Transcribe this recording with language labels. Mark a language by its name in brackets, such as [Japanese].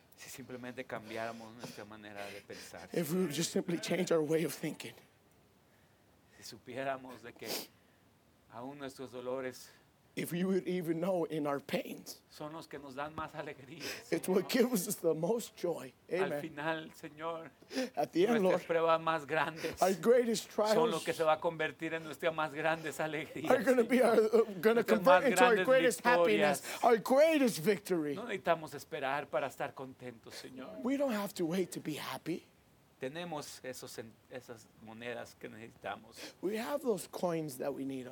[Spanish] Si simplemente cambiáramos nuestra manera de pensar. [English] If we would just simply change our way of thinking. [Spanish] Si supiéramos de que aún nuestros dolores. [English] If we would even know in our pains. [Spanish] Son los que nos dan más alegría. [English] It's what gives us the most joy. [Spanish] Amen. Al final, Señor. [English] At the end, [Spanish] nuestras [English] Lord. [Spanish] Pruebas más grandes. [English] Our greatest trials. [Spanish] Son los que se va a convertir en nuestras más grandes alegrías. [English] Are going to be going to convert into our greatest [Spanish] victorias. [English] Happiness. Our greatest victory. [Spanish] No necesitamos esperar para estar contentos, Señor. [English] We don't have to wait to be happy. [Spanish] Tenemos esos, esas monedas que necesitamos. [English] We have those coins that we need.